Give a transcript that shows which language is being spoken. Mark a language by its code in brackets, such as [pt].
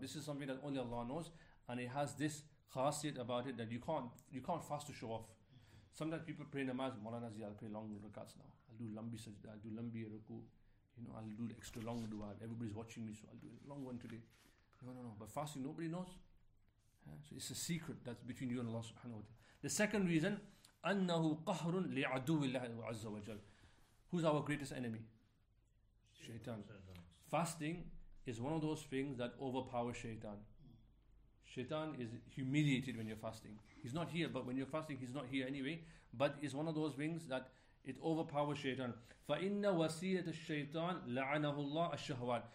[en] This is something that only Allah knows. And it has this khasiyat about it, that you can't fast to show off. Sometimes people pray namaz, Mawlana Ziyad, I'll pray long rakats now. I'll do [ur] lambi sajda, [en] I'll do [ur] lambi ruku. [en] You know, I'll do the extra long dua. Everybody's watching me, so I'll do a long one today. No. But fasting, nobody knows. So it's a secret that's between you and Allah subhanahu wa ta'ala. The second reason, [ar] أَنَّهُ قَهْرٌ لِعَدُوِ اللَّهِ عَزَّ وَجَلَّ. [en] Who's our greatest enemy? Shaitan. Fasting is one of those things that overpowers shaitan. Shaitan is humiliated when you're fasting. He's not here, but when you're fasting, he's not here anyway. But it's one of those things that it overpowers shaitan. [ar] فَإِنَّ وَسِيلَةَ الشَّيْطَانِ لَعَنَهُ اللَّهُ الشَّهْوَانِ.